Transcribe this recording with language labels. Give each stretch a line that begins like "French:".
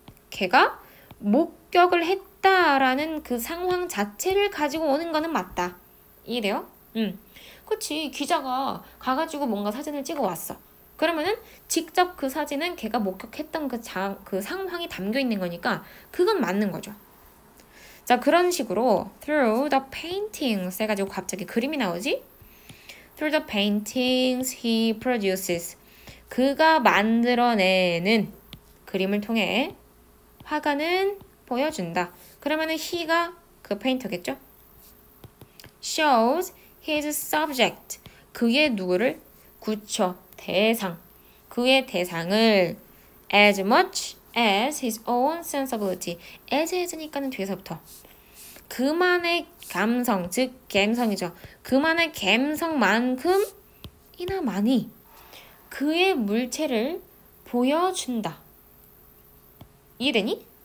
Korean: 걔가 목격을 했다라는 그 상황 자체를 가지고 오는 거는 맞다. 이해돼요? 그치. 기자가 가가지고 뭔가 사진을 찍어 왔어. 그러면은 직접 그 사진은 걔가 목격했던 그 상황이 담겨 있는 거니까 그건 맞는 거죠. 자, 그런 식으로
English: through the paintings
Korean: 해가지고 갑자기 그림이 나오지?
English: Through the paintings he produces.
Korean: 그가 만들어내는 그림을 통해 화가는 보여준다. 그러면은 he가 그 페인터겠죠?
English: Shows his subject.
Korean: 그의 누구를? 구처, 대상. 그의 대상을
English: as much as his own sensibility.
Korean: as 했으니까는 뒤에서부터. 그만의 감성, 즉 감성이죠. 그만의 감성만큼이나 많이 그의 물체를 보여준다. 이해되니?